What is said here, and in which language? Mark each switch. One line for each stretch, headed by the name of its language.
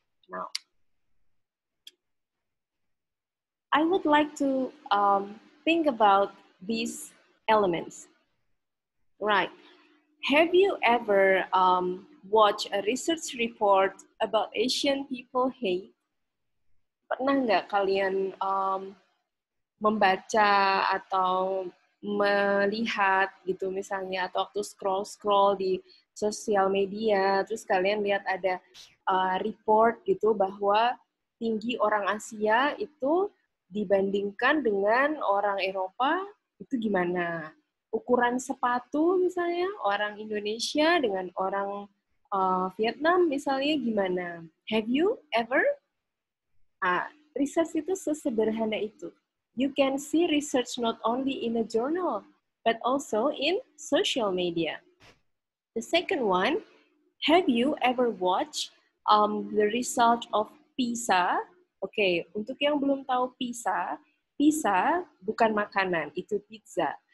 English: Now, I would like to think about these elements. Right. Have you ever watched a research report about Asian people hate?
Indonesian: Pernah nggak kalian membaca atau melihat gitu misalnya, atau waktu scroll-scroll di sosial media, terus kalian lihat ada report gitu bahwa tinggi orang Asia itu dibandingkan dengan orang Eropa, itu gimana? Ukuran sepatu misalnya, orang Indonesia dengan orang Vietnam misalnya gimana?
English: Have you ever
Indonesian: Research itu sesederhana itu.
English: You can see research not only in a journal, but also in social media. The second one, have you ever watched the result of PISA?
Indonesian: Okay, untuk yang belum tahu PISA, PISA bukan makanan, itu pizza.